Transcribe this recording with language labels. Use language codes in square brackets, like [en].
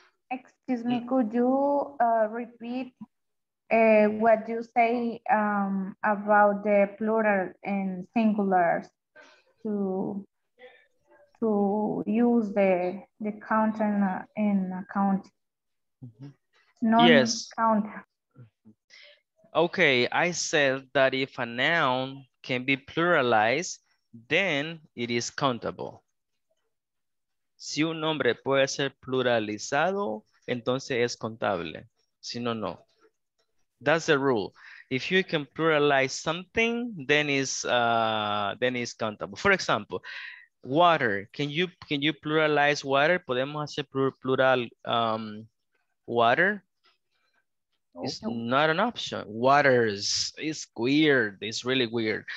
[en] Excuse me, could you repeat what you say about the plural and singulars to use the count in account? Mm-hmm. Yes. Count. Okay, I said that if a noun can be pluralized, then it is countable. [es] Si un nombre puede ser pluralizado, entonces es contable. Si no, no. [en] That's the rule. If you can pluralize something, then it's countable. For example, water. Can you pluralize water? [es] ¿Podemos hacer plural water? [en] Nope. It's not an option. Waters. It's weird. It's really weird.